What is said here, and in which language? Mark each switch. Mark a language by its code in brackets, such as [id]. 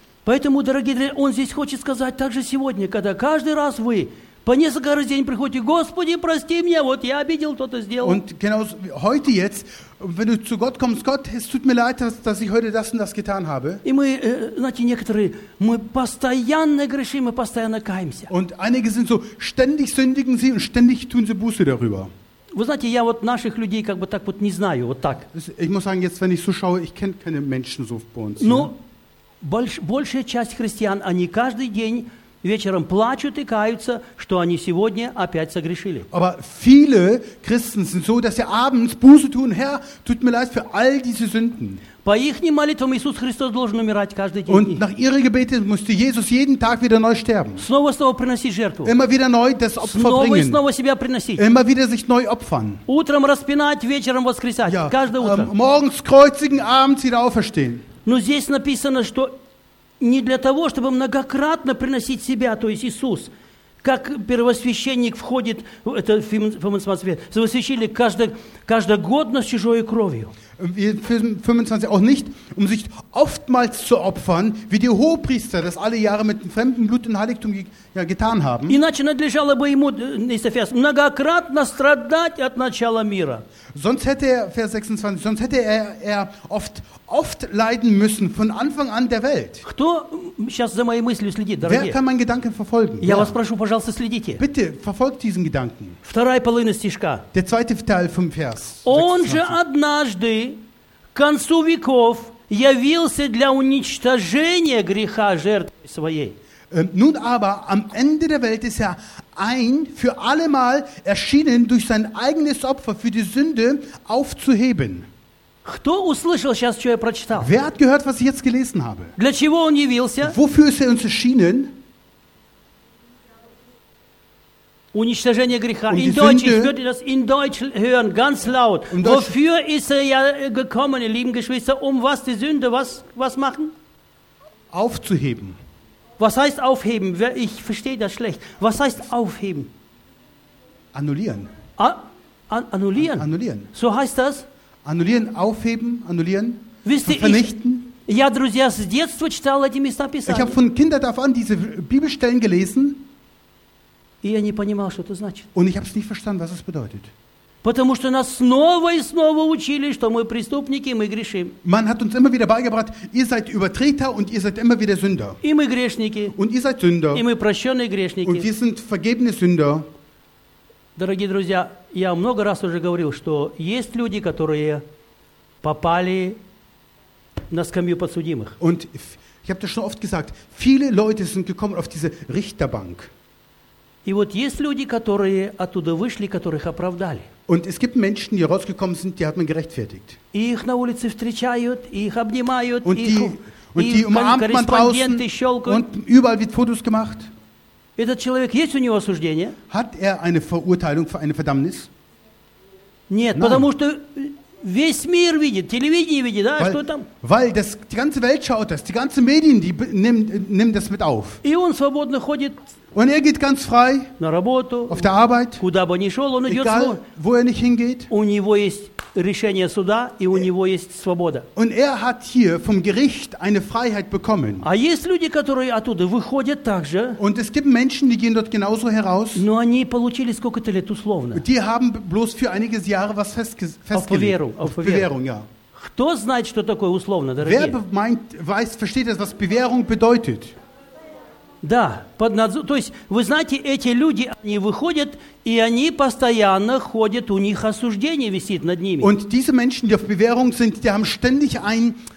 [ru] Поэтому, дорогие друзья, он здесь хочет сказать также сегодня, когда каждый раз вы по несколько раз в день приходите: «Господи, прости меня, вот я обидел, кто-то сделал». [de] Und genau heute jetzt, wenn du zu Gott kommst: «Gott, es tut mir leid, dass ich heute das und das getan habe». [ru] И мы, знаете, некоторые, мы постоянно грешим, мы постоянно каемся. [de] Und einige sind so, ständig sündigen sie und ständig tun sie Buße darüber. [ru] Вы знаете, я вот наших людей как бы так вот не знаю, вот так. [de] Ich muss sagen, jetzt, wenn ich so schaue, ich kenne keine Menschen so bei uns. [ru] Ну, большая часть христиан, они каждый день вечером плачут и каются, что они сегодня опять согрешили. [de] Aber viele Christen sind so, dass sie abends Buße tun: Herr, tut mir leid für all diese Sünden. [ru] По их молитвам Иисус Христос должен умирать каждый день. [de] Und nach ihrer Gebete musste Jesus jeden Tag wieder neu sterben. [ru] Снова снова приносить жертву. [de] Immer wieder neu das Opfer [ru] снова [de] bringen. [ru] Снова себя приносить. [de] Immer wieder sich neu opfern. [ru] Утром распинать, вечером воскресать. Ja. Каждое утро. [de] Morgens kreuzigen, abends wieder auferstehen. [ru] Но здесь написано, что не для того, чтобы многократно приносить себя, то есть Иисус, как первосвященник входит в этот фимосмосвет, совосвящили каждый год с чужой кровью. [de] 25 auch nicht, um sich oftmals zu opfern, wie die Hohepriester das alle Jahre mit fremdem Blut und Heiligtum getan haben. [ru] Иначе надлежало бы ему, если Vers, многократно страдать от начала мира. [de] Sonst hätte er, Vers 26, sonst hätte er oft leiden müssen von Anfang an der Welt. [ru] Кто сейчас за моей мыслью следит, дорогие? [de] Wer kann meinen Gedanken verfolgen? [ru] Я вас прошу, пожалуйста, следите. [de] Bitte, verfolgt diesen Gedanken. [ru] Вторая половина стишка. [de] Der zweite Teil vom Vers [ru] Он же однажды к концу веков явился для уничтожения греха жертвой своей. [de] Nun aber, am Ende der Welt ist er ein für allemal erschienen, durch sein eigenes Opfer für die Sünde aufzuheben. [ru] Кто услышал сейчас, что я прочитал? [de] Wer hat gehört, was ich jetzt gelesen habe? [ru] Для чего он явился? [de] Wofür ist er uns erschienen? [ru] Уничтожение греха. [de] In Deutsch, ich würde das in Deutsch hören, ganz laut. Wofür ist er ja gekommen, ihr lieben Geschwister? Um was die Sünde, was machen? Aufzuheben. Was heißt aufheben? Ich verstehe das schlecht. Was heißt aufheben? Annullieren. Annullieren? Annullieren. So heißt das? Annullieren, aufheben, annullieren, wisst ihr, vernichten. [ru] Я, друзья, с детства читал эти места писания. [de] Ich habe von Kindheit auf an diese Bibelstellen gelesen. [ru] И я не понимал, что это значит. [de] Und ich habe es nicht verstanden, was es bedeutet. [ru] Потому что нас снова и снова учили, что мы преступники, мы грешим. [de] Man hat uns immer wieder beigebracht: ihr seid Übertreter und ihr seid immer wieder Sünder. [ru] И мы грешники. [de] Und ihr seid Sünder. [ru] И мы прощенные грешники. [de] Und wir sind vergebene Sünder. [ru] Дорогие друзья, я много раз уже говорил, что есть люди, которые попали на скамью подсудимых. [de] Und ich habe das schon oft gesagt: viele Leute sind gekommen auf diese Richterbank. [ru] И вот есть люди, которые оттуда вышли, которых оправдали. [de] Und es gibt Menschen, die rausgekommen sind, die hat man gerechtfertigt. [ru] Их на улице встречают, их обнимают, [de] und die umarmt man draußen. Und überall wird Fotos gemacht. [ru] Этот человек, есть у него осуждение? [de] Hat er eine Verurteilung für eine Verdammnis? [ru] Нет, [de] Nein. [ru] Потому что весь мир видит, телевидение видит, да, что там? [de] Weil das, die ganze Welt schaut das, die ganzen Medien, die nehmen das mit auf. [ru] И он свободно ходит. [de] Und er geht ganz frei [ru] на работу, [de] auf der Arbeit, [ru] куда бы ни шел, он [de] egal, [ru] идет, [de] wo er nicht hingeht. [ru] У него есть решение суда, и у него есть свобода. [de] Und er hat hier vom Gericht eine Freiheit bekommen. [ru] А есть люди, которые оттуда выходят также. [de] Und es gibt Menschen, die gehen dort genauso heraus. [ru] Но они получили сколько-то лет условно. [de] Die haben bloß für einiges Jahre was festgelegt. Auf Bewährung, ja. [ru] Кто знает, что такое условно, дорогие? [de] Wer meint, weiß, versteht das, was Bewährung bedeutet? [ru] Да, под надзор. То есть, вы знаете, эти люди, они выходят, и они постоянно ходят, у них осуждение висит над ними. [de] Und diese Menschen, die auf Bewährung sind, die haben ständig ein,